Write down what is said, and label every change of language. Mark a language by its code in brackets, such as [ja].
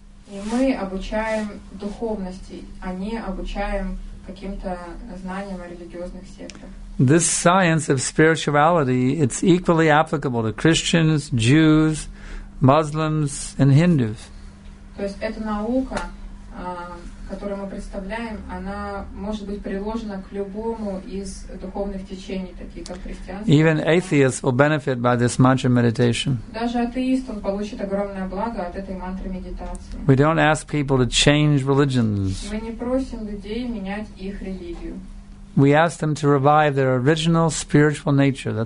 [ru] И мы обучаем духовности, а не обучаем каким-то знаниям о религиозных сектах. [en] This science of spirituality, it's equally applicable to Christians, Jews, Muslims, and Hindus. [ru] То есть эта наука, которую мы представляем, она может быть приложена к любому из духовных течений, таких как христианство. [en] Even atheists will benefit by this mantra meditation. [ru] Даже атеист, он получит огромное благо от этой мантры медитации. [en] We don't ask people to change religions. [ru] Мы не просим людей менять их религию. [en] We ask them to revive their original spiritual nature.